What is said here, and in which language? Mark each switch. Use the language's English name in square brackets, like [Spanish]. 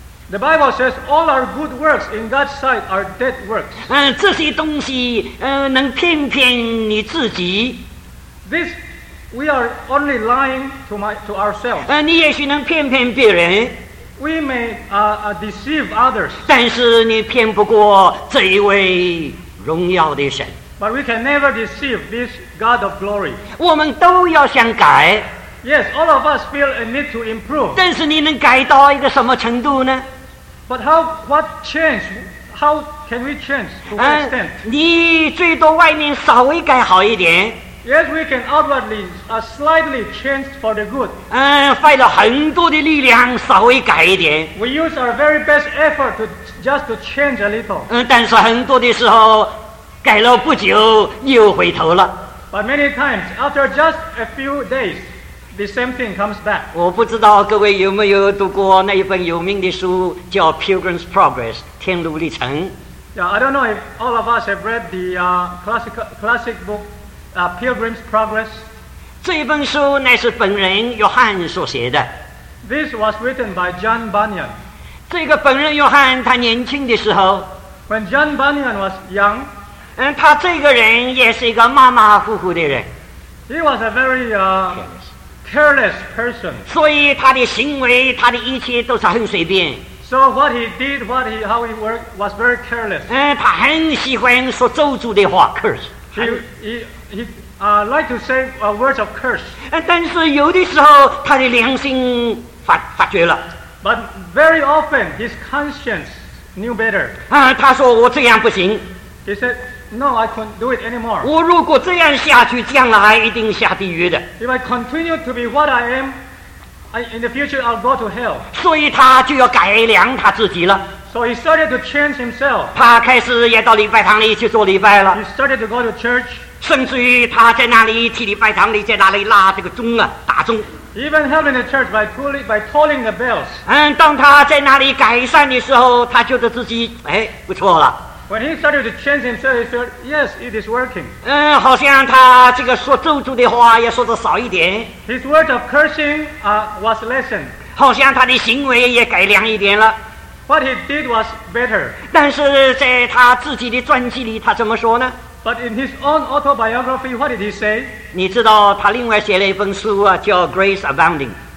[English] The Bible says all our good works in God's sight are dead works. [Chinese] 这些东西能骗骗你自己。 [English] This, we are only lying to ourselves. [Chinese] 你也许能骗骗别人。 [English] We may deceive others. [Chinese] 但是你骗不过这一位荣耀的神。 [English] But we can never deceive this God of glory. [Chinese] 我们都要想改。 [English] Yes, all of us feel a need to improve. [Chinese] 但是你能改到一个什么程度呢？ [English] But what change? How can we change to what extent? [Chinese] 你最多外面稍微改好一点。 [English] Yes, we can outwardly slightly change for the good. [Chinese] 费了很多的力量稍微改一点。 [English] We use our very best effort to change a little. [Chinese] 但是很多的时候改了不久又回头了。 [English] But many times, after just a few days,The same thing comes back. [Chinese] 我不知道各位有没有读过那一本有名的书叫 Pilgrim's Progress 天路历程。 [English] Yeah, I don't know if all of us have read the classic book Pilgrim's Progress. [Chinese] 这一本书乃是本人约翰所写的。 [English] This was written by John Bunyan. [Chinese] 这个本人约翰他年轻的时候， [English] When John Bunyan was young, [Chinese] 他这个人也是一个马马虎虎的人。 [English] He was a very careless person. [Chinese] 所以他的行为他的一切都是很随便。 [English] So what he did, how he worked was very careless. [Chinese] 他很喜欢说咒诅的话， curse. [English] He liked to say words of curse. [Chinese] 但是有的时候他的良心发觉了。 [English] But very often his conscience knew better. [Chinese] 他说我这样不行。 [English] He said, no, I couldn't do it anymore. [Chinese] 我如果这样下去，将来一定下地狱的。 [English] If I continue to be what I am, in the future I'll go to hell. [Chinese] 所以他就要改良他自己了。 [English] So he started to change himself. [Chinese] 他开始也到礼拜堂里去做礼拜了。 [English] He started to go to church. [Chinese] 甚至于他在那里替礼拜堂里在那里拉这个钟啊，打钟。 [English] Even helping the church by tolling the bells. [Chinese] 当他在那里改善的时候，他觉得自己不错了。 [English] When he started to change himself, he said, "Yes, it is working." [Chinese] 好像他这个说咒诅的话也说的少一点。 [English] His word of cursing was lessened. [Chinese] 好像他的行为也改良一点了。 [English] What he did was better. [Chinese] 但是在他自己的传记里，他怎么说呢？ [English] But in his own autobiography, what did he say? [Chinese] 你知道他另外写了一本书啊，叫《Grace Abounding》。